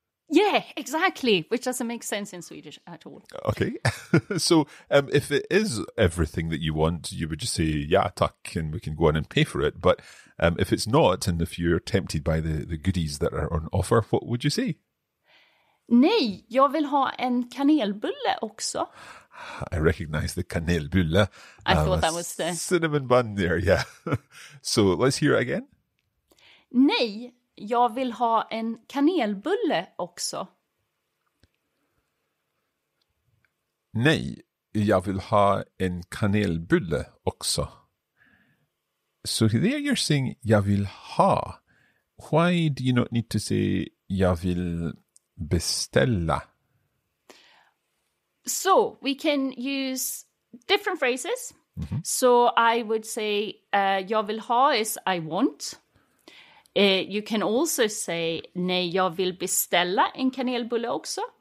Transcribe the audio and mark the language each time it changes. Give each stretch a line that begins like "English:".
English: Yeah, exactly. Which doesn't make sense in Swedish at all. Okay. So if it is everything that you want, you would just say,
Swedish: "ja, tack,"
English: and we can go on and pay for it. But if it's not, and if you're tempted by the goodies that are on offer, what would you say?
Swedish: "Nej, jag vill ha en kanelbulle också."
English: I recognize the kanelbulle. I thought that was the cinnamon bun there, yeah. So let's hear it again.
Swedish: "Nej, jag vill ha en kanelbulle också." "Nej, jag vill ha en kanelbulle också."
English: So there you're saying
Swedish: "jag vill ha."
English: Why do you not need to say
Swedish: "jag vill beställa"?
English: So we can use different phrases. Mm-hmm. So I would say
Swedish: "jag vill ha"
English: is "I want." You can also say
Swedish: "nej, jag vill beställa en kanelbulle också."